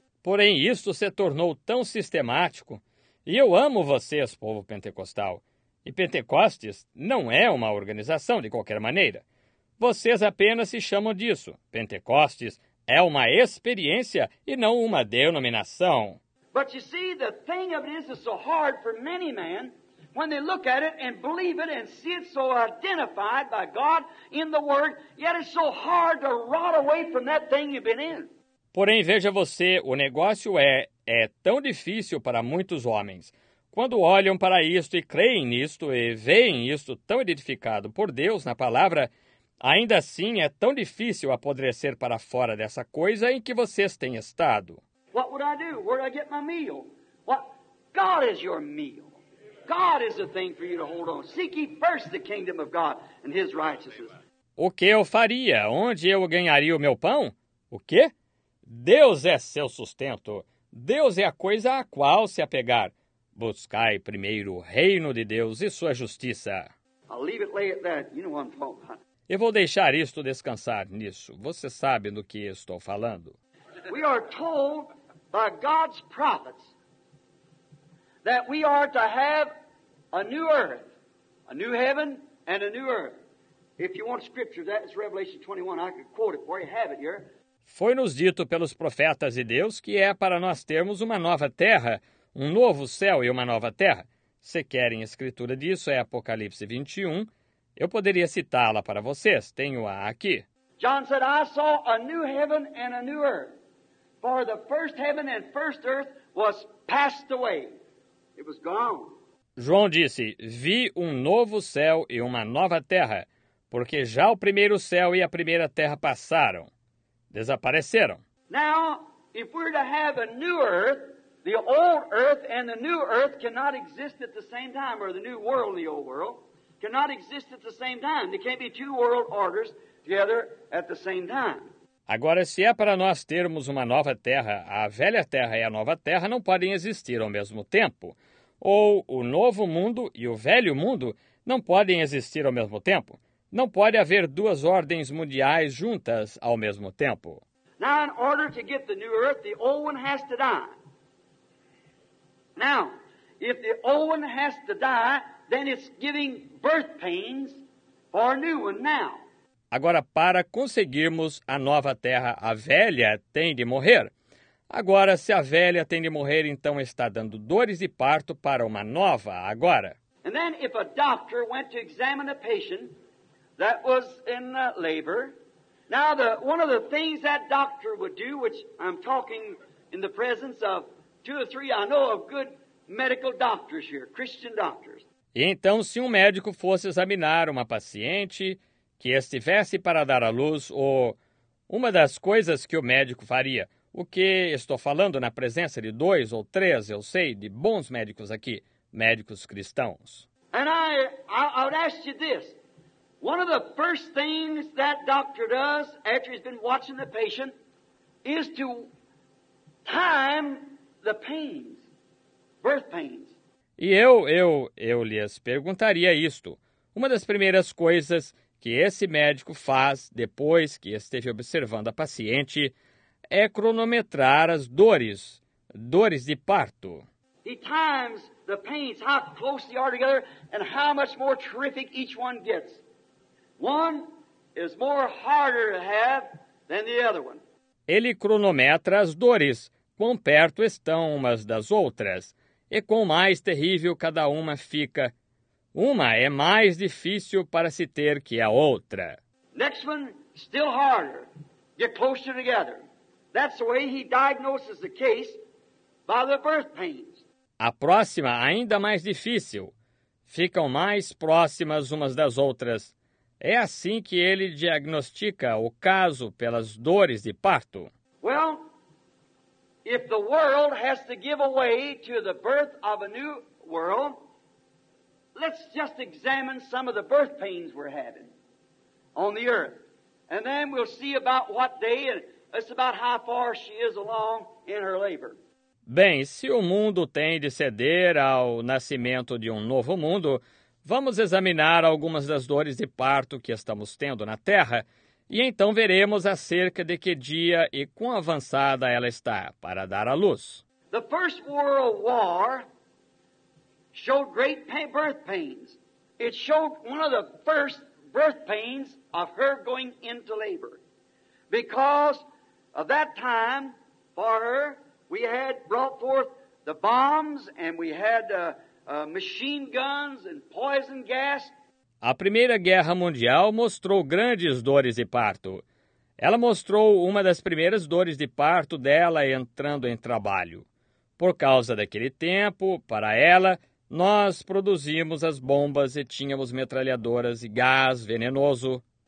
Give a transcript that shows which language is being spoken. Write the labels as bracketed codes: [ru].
[pt] Porém, isto se tornou tão sistemático, e eu amo vocês, povo pentecostal, e Pentecostes não é uma organização de qualquer maneira. Vocês apenas se chamam disso, Pentecostes, é uma experiência e não uma denominação. [en] But you see, the thing of it is it's so hard for many men when they look at it and believe it and see it so identified by God in the Word, yet it's so hard to rot away from that thing you've been in. [pt] Porém, veja você, o negócio é tão difícil para muitos homens. Quando olham para isto e creem nisto e veem isto tão edificado por Deus na palavra, ainda assim, é tão difícil apodrecer para fora dessa coisa em que vocês têm estado. [en] What would I do? Where would I get my meal? What? God is your meal. God is the thing for you to hold on. Seek ye first the kingdom of God and his righteousness. [pt] O que eu faria? Onde eu ganharia o meu pão? O quê? Deus é seu sustento. Deus é a coisa a qual se apegar. Buscai primeiro o reino de Deus e sua justiça. [en] I'll leave it, lay it there. You know what I'm talking about. [pt] Eu vou deixar isto descansar nisso. Você sabe do que estou falando. [en] We are told by God's prophets that we are to have a new earth, a new heaven, and a new earth. If you want scripture, that is Revelation 21. I could quote it for you. Have it here. [pt] Foi-nos dito pelos profetas de Deus que é para nós termos uma nova terra, um novo céu e uma nova terra. Se querem escritura disso, é Apocalipse 21. Eu poderia citá-la para vocês. Tenho-a aqui. [en] John said, I saw a new heaven and a new earth. For the first heaven and first earth was passed away. It was gone. [pt] João disse, vi um novo céu e uma nova terra, porque já o primeiro céu e a primeira terra passaram. Desapareceram. [en] Now, if we're to have a new earth, the old earth and the new earth cannot exist at the same time, or the new world and the old world cannot exist at the same time. There can't be two world orders together at the same time. [pt] Agora, se é para nós termos uma nova terra, a velha terra e a nova terra não podem existir ao mesmo tempo. Ou o novo mundo e o velho mundo não podem existir ao mesmo tempo. Não pode haver duas ordens mundiais juntas ao mesmo tempo. [en] Now, in order to get the new earth, the old one has to die. Now, if the old one has to die, then it's giving birth pains for a new one now. [pt] Agora, para conseguirmos a nova terra, a velha tem de morrer. Agora, se a velha tem de morrer, então está dando dores de parto para uma nova agora. [en] And then, if a doctor went to examine a patient that was in labor, now one of the things that doctor would do, which I'm talking in the presence of two or three, I know of good medical doctors here, Christian doctors. [pt] E então, se um médico fosse examinar uma paciente que estivesse para dar à luz, ou uma das coisas que o médico faria, o que estou falando na presença de dois ou três, eu sei, de bons médicos aqui, médicos cristãos. [en] And I would ask you this. One of the first things that doctor does after he's been watching the patient is to time the pains, birth pains. [pt] E eu lhes perguntaria isto. Uma das primeiras coisas que esse médico faz depois que esteve observando a paciente é cronometrar as dores de parto. [en] He times the pains, how close they are together and how much more terrific each one gets. One is more harder to have than the other one. [pt] Ele cronometra as dores, quão perto estão umas das outras, e quão mais terrível cada uma fica. Uma é mais difícil para se ter que a outra. [en] Next one, still harder. Get closer together. That's the way he diagnoses the case by the birth pains. [pt] A próxima, ainda mais difícil. Ficam mais próximas umas das outras. É assim que ele diagnostica o caso pelas dores de parto. [en] Well, if the world has to give away to the birth of a new world, let's just examine some of the birth pains we're having on the earth. And then we'll see about what day, and it's about how far she is along in her labor. [pt] Bem, se o mundo tem de ceder ao nascimento de um novo mundo, vamos examinar algumas das dores de parto que estamos tendo na Terra e então veremos acerca de que dia e quão avançada ela está para dar à luz. [en] The First World War showed great birth pains. It showed one of the first birth pains of her going into labor. Because of that time for her, we had brought forth the bombs and we had machine guns and poison gas. [pt] A Primeira Guerra Mundial mostrou grandes dores de parto. Ela mostrou uma das primeiras dores de parto dela entrando em trabalho. Por causa daquele tempo, para ela, nós produzimos as bombas e tínhamos metralhadoras e gás venenoso.